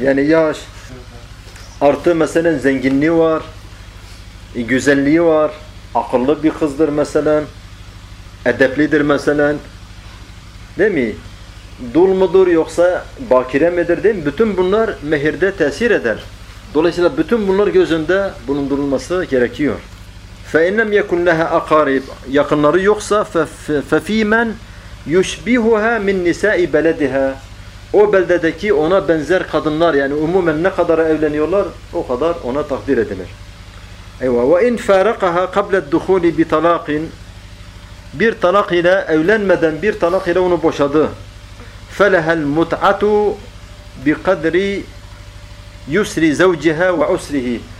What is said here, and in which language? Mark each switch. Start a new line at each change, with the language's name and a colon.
Turkish: Yani yaş artı mesela zenginliği var, güzelliği var, akıllı bir kızdır mesela, edeplidir mesela. Değil mi? Dul mudur yoksa bakire midir? Değil mi? Bütün bunlar mehirde tesir eder. Dolayısıyla bütün bunlar göz önünde bulundurulması gerekiyor.
Arabic: فَاِنَّمْ يَكُنْ لَهَا اَقَارِبْ.
Turkish: Yakınları yoksa
Arabic: فَف۪يمَنْ يُشْبِهُهَا مِنْ نِسَاءِ بَلَدِهَا.
Turkish: O beldedeki ona benzer kadınlar, yani umumen ne kadar evleniyorlar o kadar ona takdir edilir.
Arabic: Eyvah. وَاِنْ فَارَقَهَا قَبْلَ الدُّخُولِ بِطَلَاقٍ.
Turkish: Bir talak ile evlenmeden, bir talak ile onu boşadı.
Arabic: فَلَهَا الْمُتْعَةُ بِقَدْرِ يُسْرِ زَوْجِهَا وَعُسْرِهِ.